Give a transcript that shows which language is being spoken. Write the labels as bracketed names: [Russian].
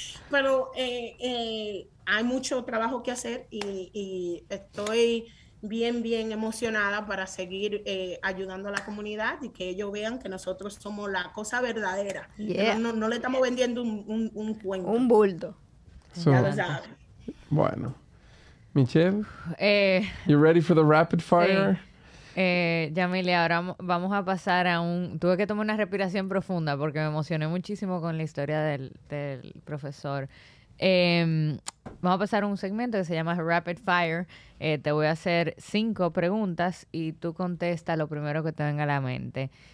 [Spanish] Pero hay mucho trabajo que hacer y estoy bien, bien emocionada para seguir ayudando a la comunidad y que ellos vean que nosotros somos la cosa verdadera. Yeah. No le estamos vendiendo un cuento. Un bulto. So, ya lo saben. Bueno. [English] Michelle, you ready for the rapid fire? [Spanish] Sí. Yamile, ahora vamos a pasar a un... Tuve que tomar una respiración profunda porque me emocioné muchísimo con la historia del profesor. Vamos a pasar a un segmento que se llama Rapid Fire. Te voy a hacer 5 preguntas y tú contesta lo primero que te venga a la mente.